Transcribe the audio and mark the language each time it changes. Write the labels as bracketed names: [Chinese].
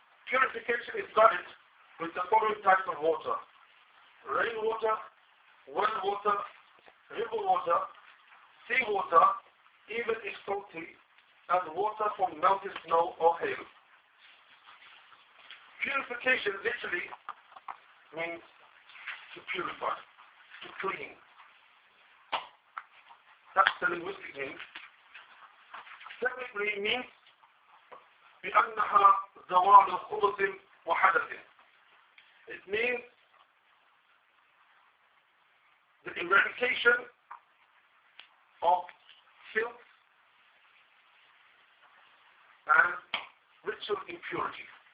[English] Purification is started with the following types of water: rainwater, well water, river water, sea water, even if salty, and water from melted snow or hail. Purification literally means to purify, to clean. That's the linguistic name. Simply means [Arabic] بأنها زوال خبث وحدث. [English] It means the eradication of filth and ritual impurity.